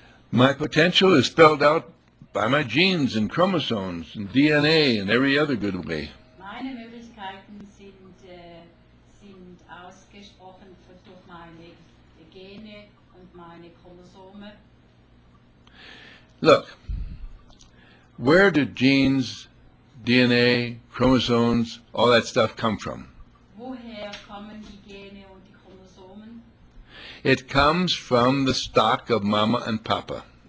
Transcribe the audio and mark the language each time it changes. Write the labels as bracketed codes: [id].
[en] My potential is spelled out by my genes and chromosomes and DNA and every other good way. [de] Meine Möglichkeiten sind ausgesprochen durch meine Gene und meine Chromosome. [en] Look, where did genes, DNA, chromosomes, all that stuff come from? [de] Woher kommen die Gene und die Chromosomen? [en] It comes from the stock of Mama and Papa.